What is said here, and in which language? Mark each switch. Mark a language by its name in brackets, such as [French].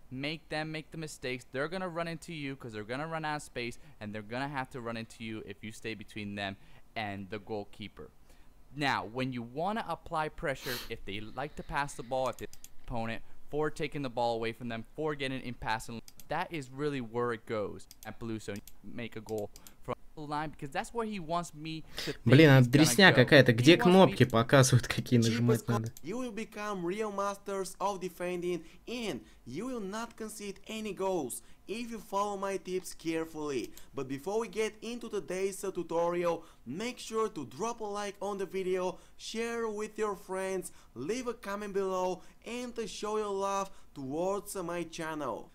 [English] Make them make the mistakes. They're going to run into you because they're going to run out of space, and they're going to have to run into you if you stay between them and the goalkeeper. Now, when you want to apply pressure, if they like to pass the ball, if the opponent for taking the ball away from them, for getting in passing, that is really where it goes at Blue Zone. Make a goal from [Russian] Блин, а дресня какая-то. Где кнопки показывают, какие нажимать надо? [English] You will become real masters of defending and you will not concede any goals if you follow my tips carefully. But before we get into today's tutorial, make sure to drop a like on the video, share with your friends, leave a comment below and to show your love towards my channel.